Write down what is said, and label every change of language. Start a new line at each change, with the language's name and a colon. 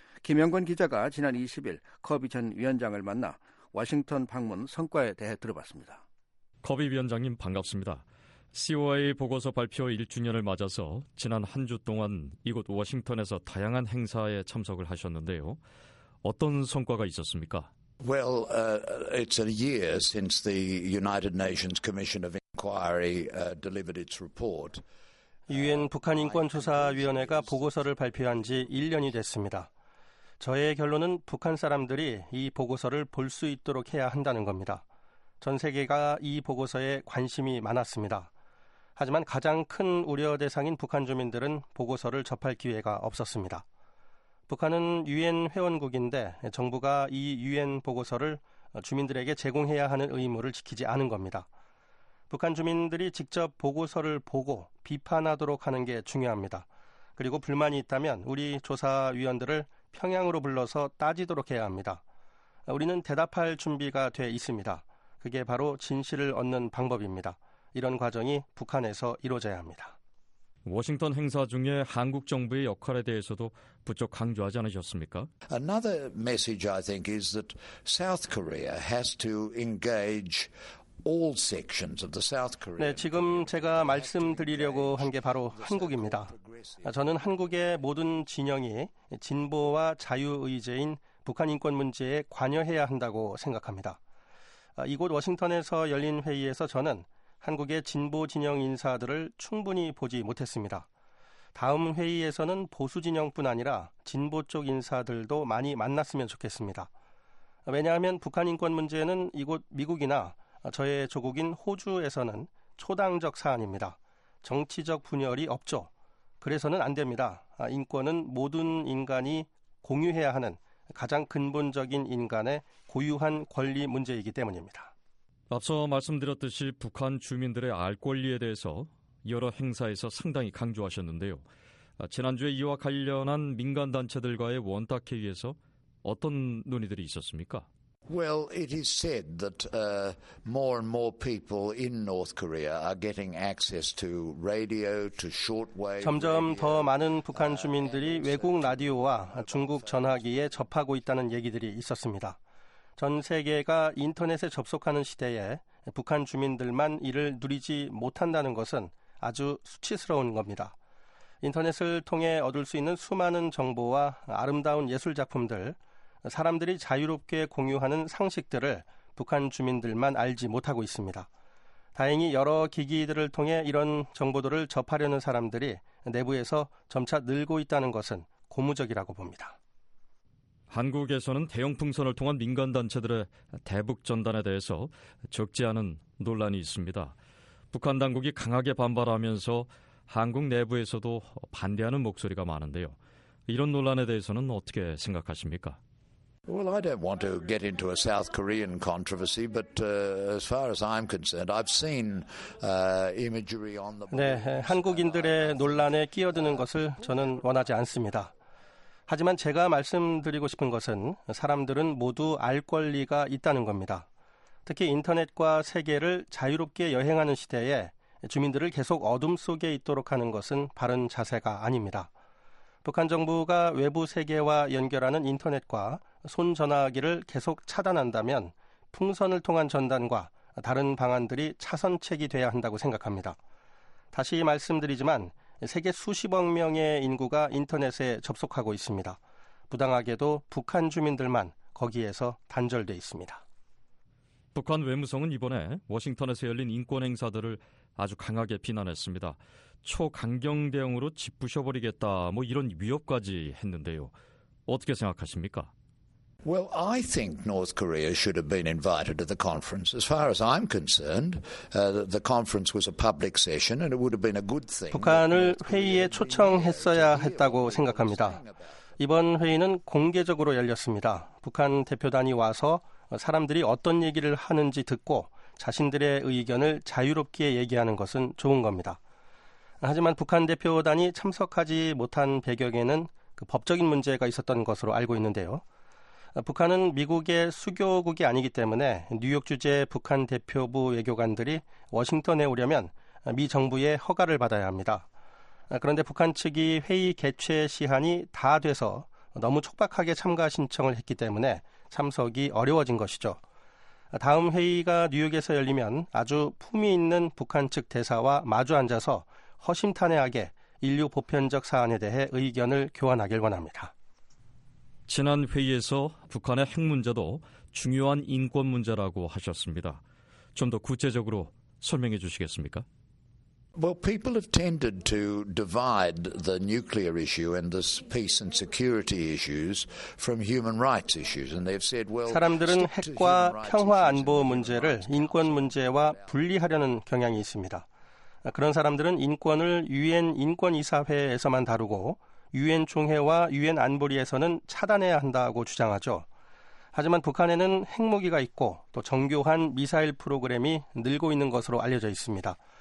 Korean: 김영건 기자가 지난 20일 커비 전 위원장을 만나 워싱턴 방문 성과에 대해 들어봤습니다. 커비 위원장님 반갑습니다. COI 보고서 발표 1주년을 맞아서 지난 한 주 동안 이곳 워싱턴에서 다양한 행사에 참석을 하셨는데요. 어떤 성과가 있었습니까?
English: Well, it's a year since the United Nations Commission of Inquiry delivered its report.
Korean: 유엔 북한인권조사위원회가 보고서를 발표한 지 1년이 됐습니다. 저의 결론은 북한 사람들이 이 보고서를 볼 수 있도록 해야 한다는 겁니다. 전 세계가 이 보고서에 관심이 많았습니다. 하지만 가장 큰 우려 대상인 북한 주민들은 보고서를 접할 기회가 없었습니다. 북한은 유엔 회원국인데 정부가 이 유엔 보고서를 주민들에게 제공해야 하는 의무를 지키지 않은 겁니다. 북한 주민들이 직접 보고서를 보고 비판하도록 하는 게 중요합니다. 그리고 불만이 있다면 우리 조사위원들을 평양으로 불러서 따지도록 해야 합니다. 우리는 대답할 준비가 돼 있습니다. 그게 바로 진실을 얻는 방법입니다. 이런 과정이 북한에서 이루어져야 합니다. 워싱턴 행사 중에 한국 정부의 역할에 대해서도 부쩍 강조하지 않으셨습니까?
English: Another message I think is that South Korea has to engage all sections of the South Korean.
Korean: 네, 지금 제가 말씀드리려고 한 게 바로 한국입니다. 저는 한국의 모든 진영이 진보와 자유의제인 북한 인권 문제에 관여해야 한다고 생각합니다. 이곳 워싱턴에서 열린 회의에서 저는 한국의 진보 진영 인사들을 충분히 보지 못했습니다. 다음 회의에서는 보수 진영뿐 아니라 진보 쪽 인사들도 많이 만났으면 좋겠습니다. 왜냐하면 북한 인권 문제는 이곳 미국이나 저의 조국인 호주에서는 초당적 사안입니다. 정치적 분열이 없죠. 그래서는 안 됩니다. 인권은 모든 인간이 공유해야 하는 가장 근본적인 인간의 고유한 권리 문제이기 때문입니다. 앞서 말씀드렸듯이 북한 주민들의 알 권리에 대해서 여러 행사에서 상당히 강조하셨는데요. 지난주에 이와 관련한 민간단체들과의 원탁회의에서 어떤 논의들이 있었습니까?
English: Well, it is said that more and more people in North Korea are getting access to radio, to shortwave.
Korean: 점점 더 많은 북한 주민들이 외국 라디오와 중국 전화기에 접하고 있다는 얘기들이 있었습니다. 전 세계가 인터넷에 접속하는 시대에 북한 주민들만 이를 누리지 못한다는 것은 아주 수치스러운 겁니다. 인터넷을 통해 얻을 수 있는 수많은 정보와 아름다운 예술 작품들, 사람들이 자유롭게 공유하는 상식들을 북한 주민들만 알지 못하고 있습니다. 다행히 여러 기기들을 통해 이런 정보들을 접하려는 사람들이 내부에서 점차 늘고 있다는 것은 고무적이라고 봅니다. 한국에서는 대형풍선을 통한 민간단체들의 대북 전단에 대해서 적지 않은 논란이 있습니다. 북한 당국이 강하게 반발하면서 한국 내부에서도 반대하는 목소리가 많은데요. 이런 논란에 대해서는 어떻게 생각하십니까?
English: Well, I don't want to get into a South Korean controversy, but as far as I'm concerned, I've seen imagery on the.
Korean: 네, 한국인들의 논란에 끼어드는 것을 저는 원하지 않습니다. 하지만 제가 말씀드리고 싶은 것은 사람들은 모두 알 권리가 있다는 겁니다. 특히 인터넷과 세계를 자유롭게 여행하는 시대에 주민들을 계속 어둠 속에 있도록 하는 것은 바른 자세가 아닙니다. 북한 정부가 외부 세계와 연결하는 인터넷과 손전화기를 계속 차단한다면 풍선을 통한 전단과 다른 방안들이 차선책이 돼야 한다고 생각합니다. 다시 말씀드리지만 세계 수십억 명의 인구가 인터넷에 접속하고 있습니다. 부당하게도 북한 주민들만 거기에서 단절돼 있습니다. 북한 외무성은 이번에 워싱턴에서 열린 인권 행사들을 아주 강하게 비난했습니다. 초강경 대응으로 짓부셔버리겠다 뭐 이런 위협까지 했는데요. 어떻게 생각하십니까?
English: Well, I think North Korea should have been invited to the conference. As far as I'm concerned, the conference was a public session and it would have been a good thing.
Korean: 북한을 회의에 초청했어야 했다고 생각합니다. 이번 회의는 공개적으로 열렸습니다. 북한 대표단이 와서 사람들이 어떤 얘기를 하는지 듣고 자신들의 의견을 자유롭게 얘기하는 것은 좋은 겁니다. 하지만 북한 대표단이 참석하지 못한 배경에는 그 법적인 문제가 있었던 것으로 알고 있는데요. 북한은 미국의 수교국이 아니기 때문에 뉴욕 주재 북한 대표부 외교관들이 워싱턴에 오려면 미 정부의 허가를 받아야 합니다. 그런데 북한 측이 회의 개최 시한이 다 돼서 너무 촉박하게 참가 신청을 했기 때문에 참석이 어려워진 것이죠. 다음 회의가 뉴욕에서 열리면 아주 품위 있는 북한 측 대사와 마주 앉아서 허심탄회하게 인류 보편적 사안에 대해 의견을 교환하길 원합니다. 지난 회의에서 북한의 핵 문제도 중요한 인권 문제라고 하셨습니다. 좀 더 구체적으로 설명해 주시겠습니까?
English: Well, people have tended to divide the nuclear issue and the peace and security issues from human rights issues, and they've said, "Well,
Korean: 사람들은 핵과 평화 안보 문제를 인권 문제와 분리하려는 경향이 있습니다. 그런 사람들은 인권을 유엔 인권 이사회에서만 다루고 유엔 총회와 유엔 안보리에서는 차단해야 한다고 주장하죠. 하지만 북한에는 핵무기가 있고 또 정교한 미사일 프로그램이 늘고 있는 것으로 알려져 있습니다.